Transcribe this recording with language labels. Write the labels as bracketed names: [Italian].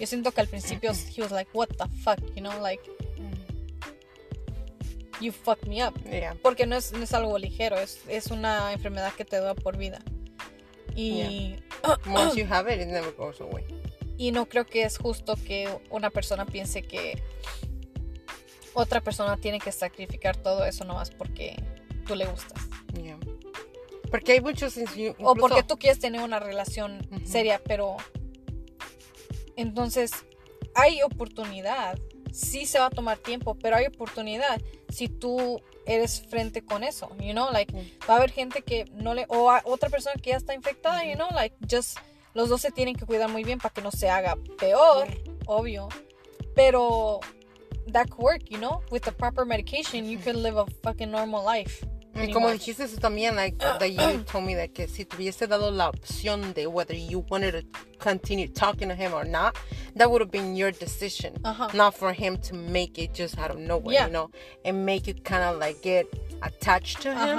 [Spanish] Yo siento que al principio [English] he was like, what the fuck, you know, like, you fucked me up. Yeah. [Spanish] Porque no es algo ligero, es una enfermedad que te dura por vida. Y [English] yeah. Once you have it, it never goes away. [Spanish] Y no creo que es justo que una persona piense que otra persona tiene que sacrificar todo eso nomás porque tú le gustas. Yeah. Porque hay muchos... o porque tú quieres tener una relación seria, pero... entonces, hay oportunidad. Sí se va a tomar tiempo, pero hay oportunidad si tú eres frente con eso, [English] you know? [Spanish] Like, va a haber gente que no le... o otra persona que ya está infectada, [English] you know? Like, just... [Spanish] los dos se tienen que cuidar muy bien para que no se haga peor, obvio. [English] Pero that could work, you know? With the proper medication, you can live a fucking normal life. [Spanish] Y como dijiste eso también, [English] like, that you told me that [Spanish] que si te hubiese dado la opción de [English] whether you wanted to continue talking to him or not, that would have been your decision. Uh-huh. Not for him to make it just out of nowhere, yeah, you know? And make you kind of like get attached to him.